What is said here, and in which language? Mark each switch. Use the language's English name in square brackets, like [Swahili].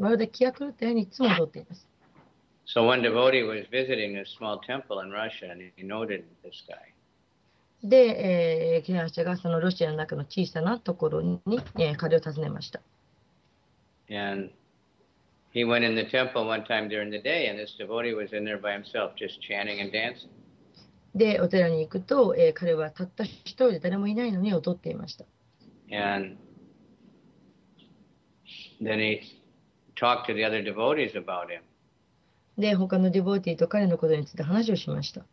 [Japanese] まるで気が狂ったようにいつも踊っています。 [English] So one devotee was visiting a small temple in Russia and he noted this guy. [Japanese] で、敬愛者がそのロシアの中の小さなところに、彼を訪ねました。 [English] And he went in the temple one time during the day and this devotee was in there by himself just chanting and dancing. [Japanese] で、お寺に行くと、彼はたった一人で誰もいないのに踊っていました。 [English] And then he talked to the other devotees about him. [Japanese] で、他のディボーティーと彼のことについて話をしました。